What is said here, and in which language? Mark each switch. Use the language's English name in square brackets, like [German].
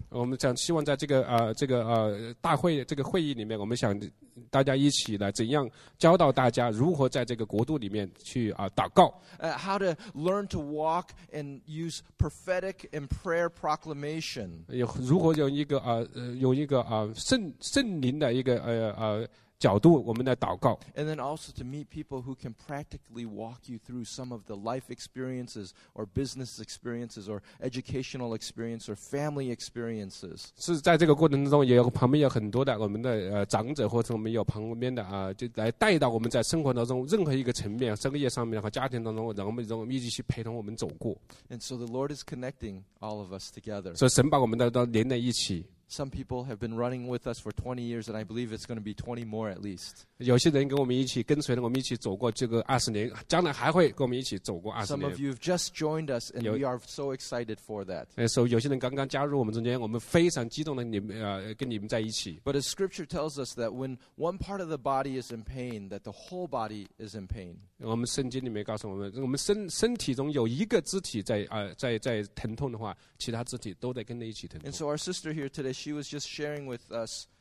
[Chinese] 我们想希望在这个大会这个会议里面，我们想大家一起来怎样教导大家如何在这个国度里面去祷告。 [English] How to learn to walk and use prophetic and prayer proclamation. [Chinese] 如何用一个圣灵的一个角度我们的祷告。 [English] And then also to meet people who can practically walk you through some of the life experiences or business experiences or educational experience or family experiences. [Chinese] 是在这个过程中也有旁边有很多的我们的长者或者我们有旁边的就来带到我们在生活当中任何一个层面生业上面和家庭当中让我们一起去陪同我们走过。 [English] And so the Lord is connecting all of us together. [Chinese] 所以神把我们都连在一起。 [English] Some people have been running with us for 20 years, and I believe it's going to be 20 more at least. [Chinese] 有些人跟我们一起跟随，我们一起走过这个二十年，将来还会跟我们一起走过二十年。 [English] Some of you have just joined us, and we are so excited for that. [Chinese] So 有些人刚刚加入我们中间，我们非常激动的跟你们在一起。 [English] But as Scripture tells us that when one part of the body is in pain, that the whole body is in pain. [Chinese] 我们圣经里面告诉我们，我们身体中有一个肢体在疼痛的话，其他肢体都在跟着一起疼痛。 [English] And so our sister here today. She was just sharing with us